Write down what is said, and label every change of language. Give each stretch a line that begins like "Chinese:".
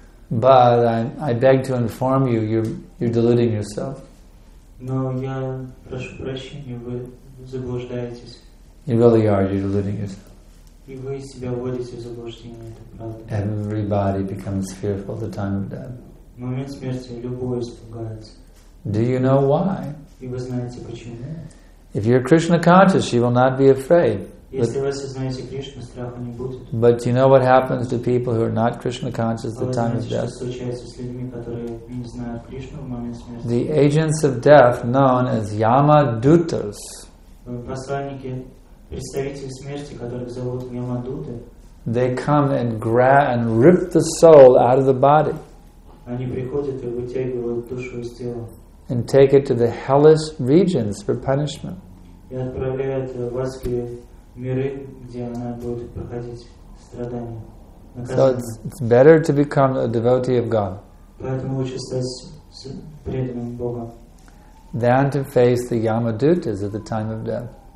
English: But I beg to inform you, you're deluding yourself.
Russian: Но я прошу прощения, вы заблуждаетесь.
English: You really are, you're deluding yourself.
Russian: И вы себя вводите в заблуждение, это правда.
English: Everybody becomes fearful the time of death.
Russian: В момент смерти любой испугается.
English: Do you know why?
Russian: И вы знаете почему?
English: If you're Krishna conscious, you will not be afraid.
Russian: Если вы осознаете Кришну, страха не будет.
English: But you know what happens to people who are not Krishna conscious at the time of death?
Russian: Что случается с людьми, которые не знают Кришну в момент смерти?
English: The agents of death, known as Yama Dutas.
Russian: Посланники, представители смерти, которых зовут Yama Duta.
English: They come and grab and rip the soul out of the body.
Russian: Они приходят и вытягивают душу из тела.
English: And take it to the hellish regions for punishment.
Russian: И отправляют в адские миры, где она будет проходить страдания.
English: So it's better to become a devotee of God than to face the Yamadutas at the time of death.